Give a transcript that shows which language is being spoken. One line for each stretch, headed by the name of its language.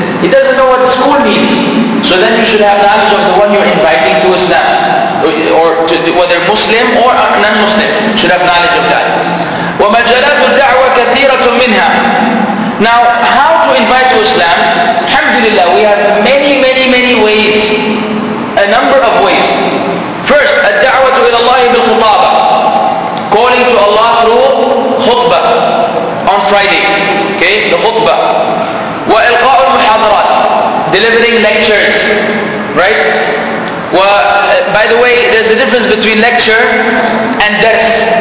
English: He doesn't know what school means. So then you should have knowledge of the one you're inviting to Islam. Or to, whether Muslim or non-Muslim, should have knowledge of that.
Arabic: وَمَجَلَاتُ الدَّعْوَى كَثِيرَةٌ مِّنْهَا.
English: Now, how to invite to Islam? Alhamdulillah, we have many, many, many ways. A number of ways. First,
Arabic: الدَّعْوَةُ إِلَى اللَّهِ بِالْخُطَابَةِ.
English: Calling to Allah through khutbah on Friday. Okay, the khutbah.
Arabic: وَإِلْقَاءُ الْمُحَاضَرَاتِ.
English: Delivering lectures. right? Well, by the way, there's a difference between lecture and dars.